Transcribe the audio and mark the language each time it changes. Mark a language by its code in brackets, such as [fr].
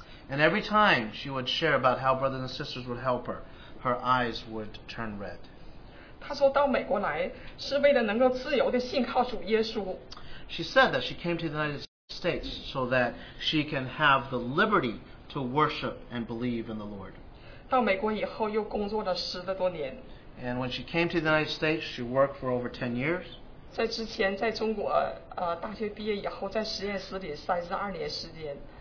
[en] And every time she would share about how brothers and sisters would help her, her eyes would turn red. [zh] 她说到美国来是为了能够自由地信靠主耶稣。 [en] She said that she came to the United States so that she can have the liberty to worship and believe in the Lord. [zh] 到美国以后又工作了10多年。 [en] And when she came to the United States, she worked for over 10 years. [zh] 在之前在中国, 大学毕业以后在实验室里32年时间。